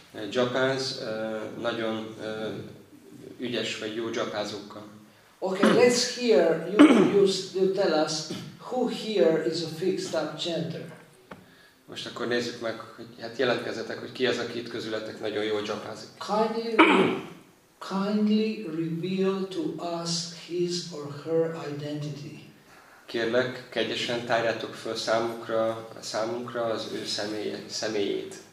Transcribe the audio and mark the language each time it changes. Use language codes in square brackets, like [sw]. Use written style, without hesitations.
[hu] Japáns nagyon ügyes vagy jó japázókkal. [en] Okay, let's hear you tell us who here is a fixed up chanter. [hu] Most akkor nézzük meg, hogy hát jelentkezzetek, hogy ki az, aki itt közületek nagyon jó japázik. [en] Kindly reveal to us his or her identity. [hu] Kérlek, kegyesen tárjátok föl számunkra az ő személyét.